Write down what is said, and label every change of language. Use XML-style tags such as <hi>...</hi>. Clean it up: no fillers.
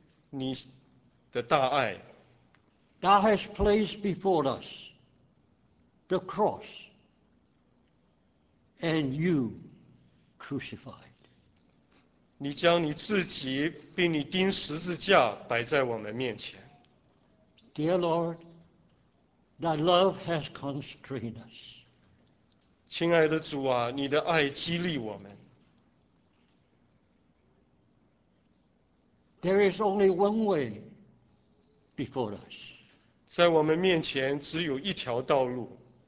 <zh>你再一次向我们显明你的大爱。</zh> <en>Thou hast placed before us the cross and you crucified.</en> <zh>你将你自己并你钉十字架摆在我们面前。</zh> <en>Dear Lord, thy love has constrained us.</en> <zh>亲爱的主啊，你的爱激励我们。</zh> <en>There is only one way before us.</en> <zh>在我们面前只有一条道路。</zh>